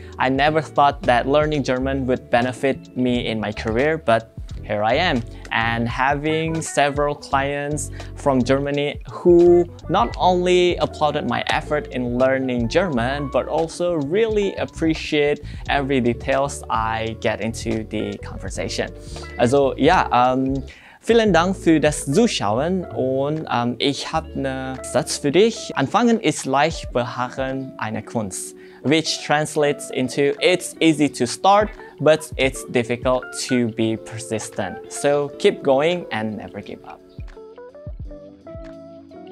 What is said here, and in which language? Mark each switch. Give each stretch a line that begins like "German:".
English: I never thought that learning German would benefit me in my career, but here I am. And having several clients from Germany who not only applauded my effort in learning German, but also really appreciate every details I get into the conversation. Also, yeah.
German: Vielen Dank für das Zuschauen und ich habe einen Satz für dich. Anfangen ist leicht, beharren eine Kunst.
English: Which translates into it's easy to start, but it's difficult to be persistent. So keep going and never give up.